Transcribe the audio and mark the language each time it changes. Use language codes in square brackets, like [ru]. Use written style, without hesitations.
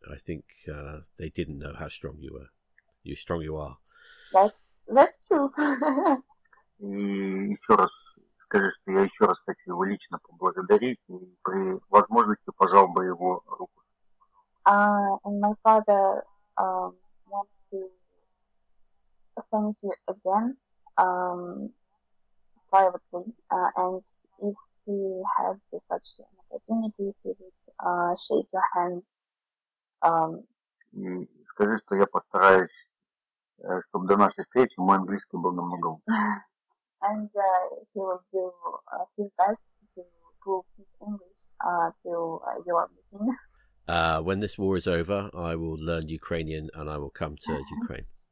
[en] I think they didn't know how strong you were. You strong you are. That's true. [ru] И еще раз скажи, что я еще раз хочу его лично поблагодарить и при возможности пожал бы его руку. [en] And my father wants to thank you again privately and if he had such an opportunity, he would shake your hand. [ru] И скажи, что я постараюсь, чтобы до нашей встречи мой английский был намного лучше. [en] And he will do his best to improve his English to your meeting. When this war is over, I will learn Ukrainian and I will come to Ukraine.